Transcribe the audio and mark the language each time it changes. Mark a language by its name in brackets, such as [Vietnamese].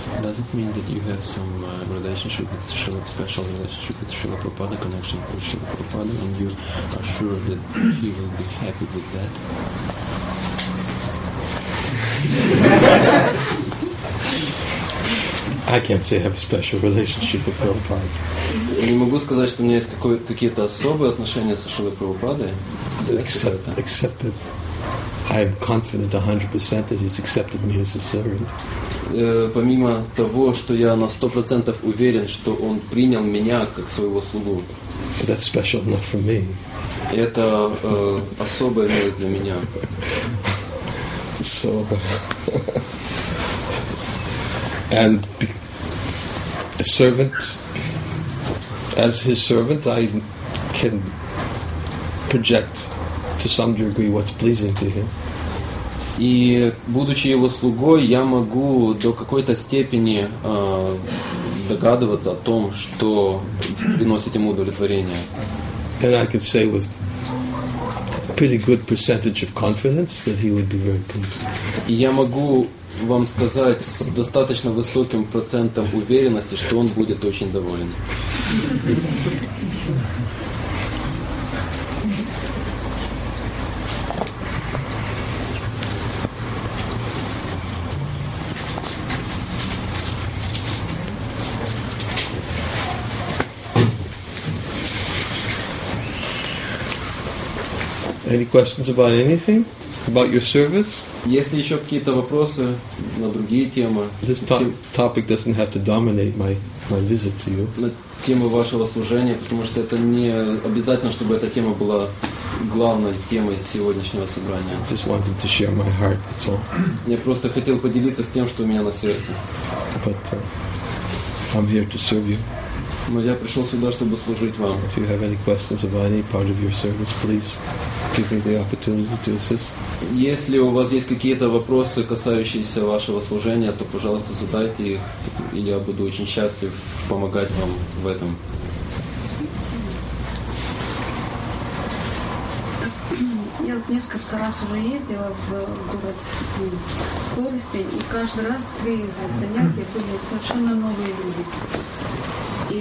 [English] Does it mean that you have some relationship with Srila, special relationship with Srila Prabhupada, connection with Srila Prabhupada, and you are sure that he will be happy with that? I I can't say I have a special relationship with Prabhupada. [Russian] Я не могу сказать, что у меня есть какие-то особые отношения со Шрилой Прабхупадой. [English] Except that I'm confident 100% that he's accepted me as a servant. [Russian] Помимо того, что я на 100% уверен, что он принял меня как своего слугу. [English] But that's special enough for me. [Russian] Это особая милость для меня. [English] So, and a servant, as his servant, I can project to some degree what's pleasing to him. [Russian] И будучи его слугой, я могу до какой-то степени догадываться о том, что приносит ему удовлетворение. [English] And I can say with pretty good percentage of confidence that he would be very pleased. [Russian] Я могу вам сказать с достаточно высоким процентом уверенности, что он будет очень доволен. [English] Any questions about anything? About your service? [Russian] Если еще какие-то вопросы на другие темы. [English] This topic doesn't have to dominate my visit to you. [Russian] На тему вашего служения, потому что это не обязательно, чтобы эта тема была главной темой сегодняшнего собрания. [English] I just wanted to share my heart, that's all. [Russian] Я просто хотел поделиться с тем, что у меня на сердце. [English] But I'm here to serve you. [Russian] Но я пришел сюда, чтобы служить вам. [English] If you have any questions about any part of your service, please. Give me the opportunity to assist. [Russian] Если у вас есть какие-то вопросы, касающиеся вашего служения, то, пожалуйста, задайте их, и я буду очень счастлив помогать вам в этом. Я вот несколько раз уже ездила в город Користы, и каждый раз при занятии были совершенно новые люди.